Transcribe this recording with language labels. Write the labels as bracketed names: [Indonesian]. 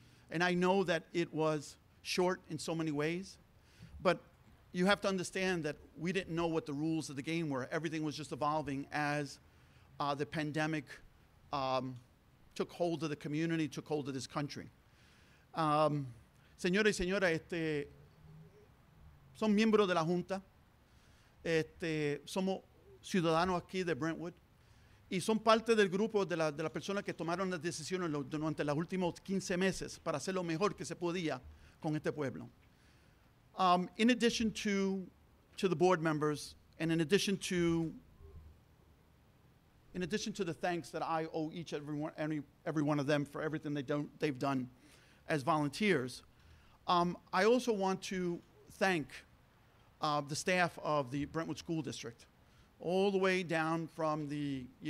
[English] And I know that it was short in so many ways, but you have to understand that we didn't know what the rules of the game were. Everything was just evolving as the pandemic took hold of the community, took hold of this country. [Spanish] Señores y señoras, son miembros de la Junta, somos ciudadanos aquí de Brentwood, y son parte del grupo de la persona que tomaron las decisiones durante los últimos 15 meses para hacer lo mejor que se podía con este pueblo. [English] In addition to the board members, and in addition to the thanks that I owe each and every one of them for everything they've done as volunteers, I also want to thank the staff of the Brentwood School District, all the way down from the